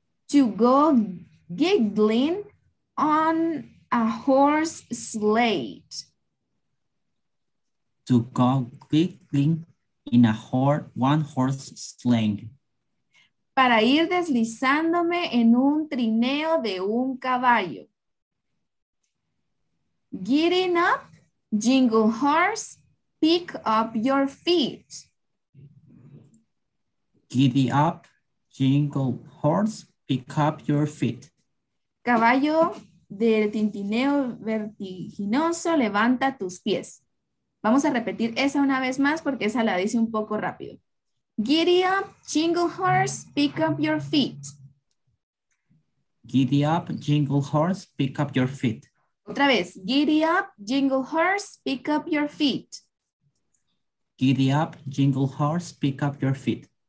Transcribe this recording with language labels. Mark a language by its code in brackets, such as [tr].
[en] To go giggling on a horse sleigh. To go giggling in a one horse sleigh. [es] Para ir deslizándome en un trineo de un caballo. [en] Getting up, jingle horse, pick up your feet. Giddy up, jingle horse, pick up your feet. [es] Caballo de tintineo vertiginoso, levanta tus pies. Vamos a repetir esa una vez más porque esa la dice un poco rápido. [en] Giddy up, jingle horse, pick up your feet. Giddy up, jingle horse, pick up your feet. [es] Otra vez. [en] Giddy up, jingle horse, pick up your feet. Giddy up, jingle horse, pick up your feet.